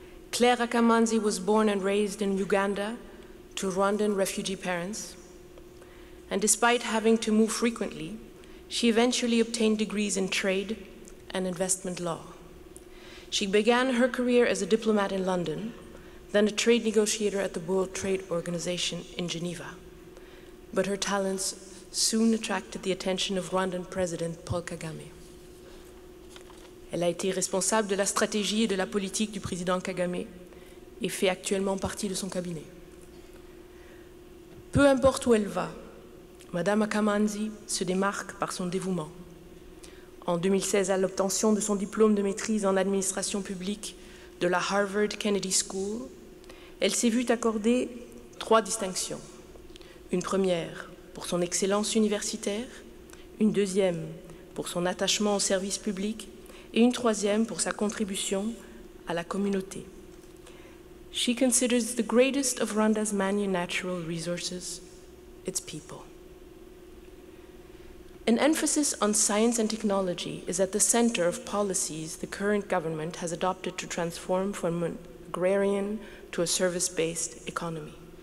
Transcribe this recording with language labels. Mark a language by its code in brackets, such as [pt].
[en] Clare Akamanzi was born and raised in Uganda to Rwandan refugee parents, and despite having to move frequently, she eventually obtained degrees in trade and investment law. She began her career as a diplomat in London, then a trade negotiator at the World Trade Organization in Geneva. But her talents soon attracted the attention of Rwandan President Paul Kagame. [fr] Elle a été responsable de la stratégie et de la politique du président Kagame et fait actuellement partie de son cabinet. Peu importe où elle va, Madame Akamanzi se démarque par son dévouement. En 2016, à l'obtention de son diplôme de maîtrise en administration publique de la Harvard Kennedy School, elle s'est vue accorder trois distinctions. Une première pour son excellence universitaire, une deuxième pour son attachement au service public et une troisième pour sa contribution à la communauté. [en] She considers the greatest of Rwanda's many natural resources, its people. An emphasis on science and technology is at the center of policies the current government has adopted to transform from an agrarian to a service-based economy.